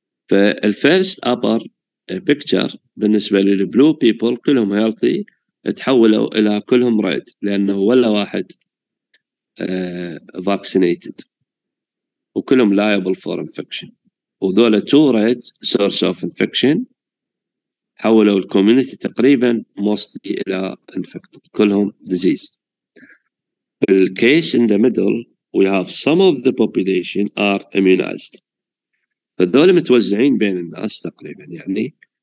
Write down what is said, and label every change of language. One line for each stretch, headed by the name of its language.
Arabic: فالفيرست أبر بيكتشر بالنسبة للبلو بيبول كلهم healthy تحولوا إلى كلهم ريد لأنه ولا واحد vaccinated وكلهم
English: liable for infection.
Arabic: وذولا two red source of infection حولوا الكوميونيتي تقريبا mostly إلى infected كلهم diseased.
English: بالcase in the middle we have some of the population are immunized.
Arabic: فذولا متوزعين بين الناس تقريبا يعني.